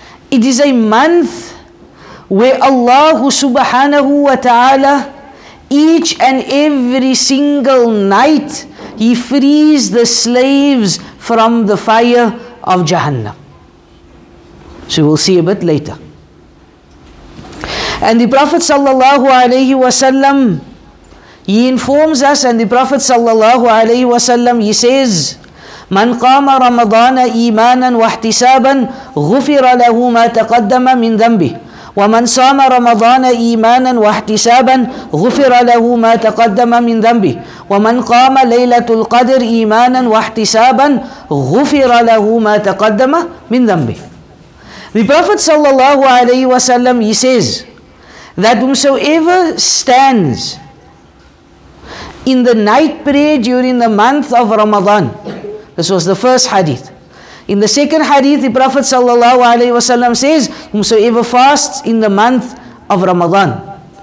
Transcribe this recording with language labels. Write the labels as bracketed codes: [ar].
[en] It is a month where Allah subhanahu wa ta'ala, each and every single night, He frees the slaves from the fire of Jahannam. So we'll see a bit later. And the Prophet sallallahu alayhi wa sallam, he informs us, and the Prophet sallallahu alayhi wa sallam, he says, [ar] من قام رمضان إيمانا واحتسابا غفر له ما تقدم من ذنبه ومن صام رمضان إيمانا واحتسابا غفر له ما تقدم من ذنبه ومن قام ليلة القدر إيمانا واحتسابا غفر له ما تقدم من ذنبه. [en] The Prophet صلى الله عليه وسلم, he says that whosoever stands in the night prayer during the month of Ramadan. This was the first hadith. In the second hadith, the Prophet sallallahu alaihi wasallam says, whomsoever fasts in the month of Ramadan.